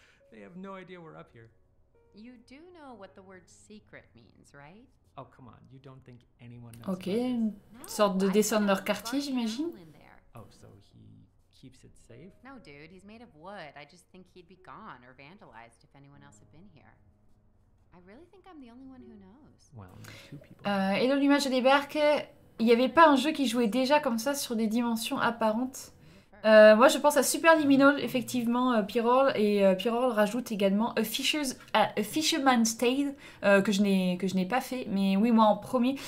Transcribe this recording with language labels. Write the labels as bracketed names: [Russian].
[English] They have no idea we're up here. You do know what the word secret means, right? Oh, come on, you don't think anyone knows. [French] Ok, une sorte de descendre leur quartier, j'imagine. [English] Oh, so he keeps it safe? No, dude, he's made of wood. I just think he'd be gone or vandalized if anyone else had been here. I really think I'm the only one who knows. Well, two people. [French] Et dans l'image des barques, il n'y avait pas un jeu qui jouait déjà comme ça sur des dimensions apparentes. Moi, je pense à Superliminal, effectivement, Pirol, et Pirol rajoute également A Fisherman's Tale, que je n'ai pas fait, mais oui, moi, en premier.